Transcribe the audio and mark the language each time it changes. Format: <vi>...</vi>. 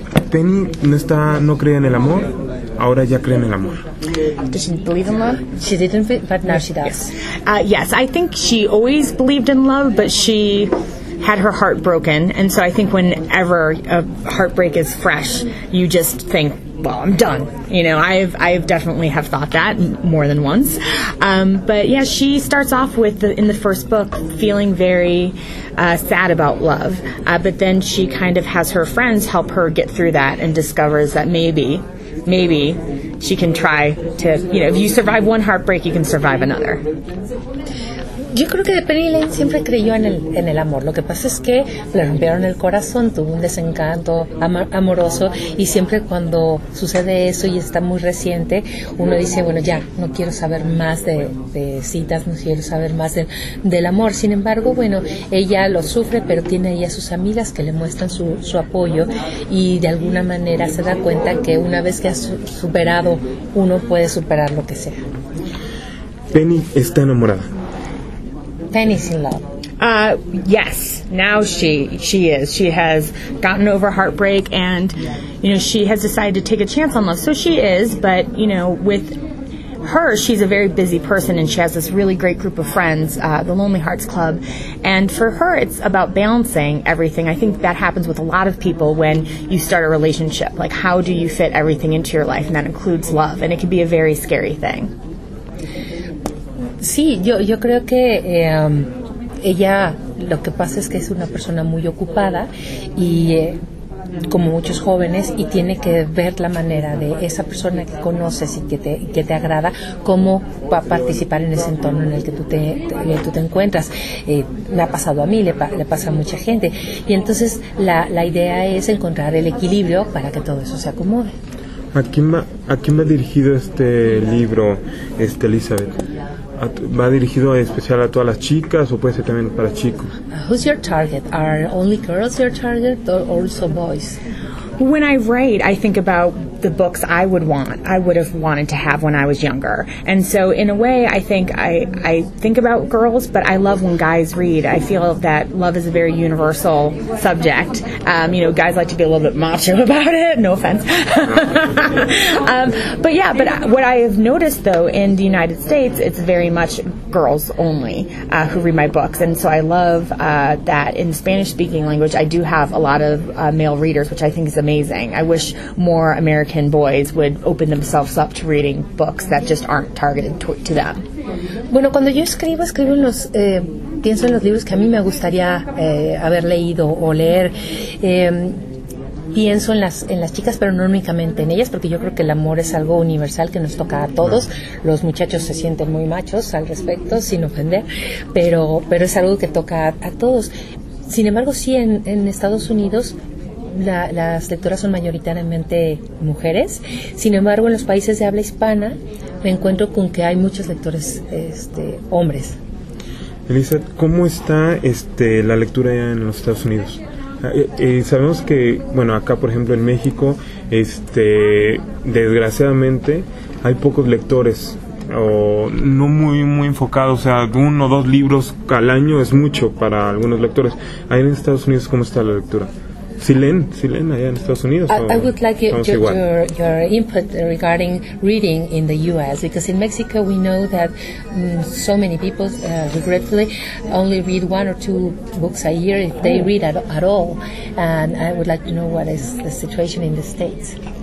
<es>Penny no cree en el amor, ahora ya cree en el amor.</es> <en>Does she believe in love? She didn't, but now she does. Yes, I think she always believed in love, but she had her heart broken. And so I think whenever a heartbreak is fresh, you just think, well, I'm done. You know, I've definitely have thought that more than once. But she starts off in the first book, feeling very sad about love. But then she kind of has her friends help her get through that and discovers that maybe she can try to, you know, if you survive one heartbreak, you can survive another.</en> <es>Yo creo que Penny Lane siempre creyó en el amor. Lo que pasa es que le rompieron el corazón, tuvo un desencanto amoroso, y siempre cuando sucede eso y está muy reciente, uno dice, bueno, ya, no quiero saber más de citas, no quiero saber más del amor. Sin embargo, bueno, ella lo sufre, pero tiene ahí a sus amigas que le muestran su apoyo, y de alguna manera se da cuenta que una vez que ha superado, uno puede superar lo que sea. Penny está enamorada.</es> <en>Penny's in love. Yes, now she is. She has gotten over heartbreak and, you know, she has decided to take a chance on love. So she is, but, you know, with her, she's a very busy person and she has this really great group of friends, the Lonely Hearts Club. And for her, it's about balancing everything. I think that happens with a lot of people when you start a relationship. Like, how do you fit everything into your life? And that includes love. And it can be a very scary thing.</en> <es>Sí, yo creo que ella, lo que pasa es que es una persona muy ocupada y como muchos jóvenes, y tiene que ver la manera de esa persona que conoces y que te agrada, cómo va a participar en ese entorno en el que tú te encuentras. Me ha pasado a mí, le pasa a mucha gente. Y entonces la idea es encontrar el equilibrio para que todo eso se acomode. ¿A quién va dirigido este libro, Elizabeth? ¿Va dirigido en especial a todas las chicas o puede ser también para chicos?</es> <en>Who's your target? Are only girls your target or also boys? When I write, I think about the books I would have wanted to have when I was younger. And so in a way, I think I think about girls, but I love when guys read. I feel that love is a very universal subject. You know, guys like to be a little bit macho about it. No offense. but what I have noticed, though, in the United States, it's very much girls only who read my books. And so I love that in Spanish-speaking language, I do have a lot of male readers, which I think is amazing. I wish more American boys would open themselves up to reading books that just aren't targeted to them.</en> <es>Bueno, cuando yo escribo pienso en los libros que a mí me gustaría haber leído o leer. Pienso en las chicas, pero no únicamente en ellas, porque yo creo que el amor es algo universal que nos toca a todos. Los muchachos se sienten muy machos al respecto, sin ofender, pero es algo que toca a todos. Sin embargo, sí, en Estados Unidos las lectoras son mayoritariamente mujeres. Sin embargo, en los países de habla hispana me encuentro con que hay muchos lectores hombres. Elisa, ¿cómo está la lectura allá en los Estados Unidos? Sabemos que, bueno, acá por ejemplo en México, desgraciadamente hay pocos lectores, o no muy muy enfocados, o sea, uno o dos libros al año es mucho para algunos lectores. Ahí en Estados Unidos, ¿cómo está la lectura? Si leen allá en Estados Unidos.</es> <en>I would like your input regarding reading in the U.S. because in Mexico we know that so many people, regretfully, only read one or two books a year if they read at all. And I would like to know what is the situation in the States.</en>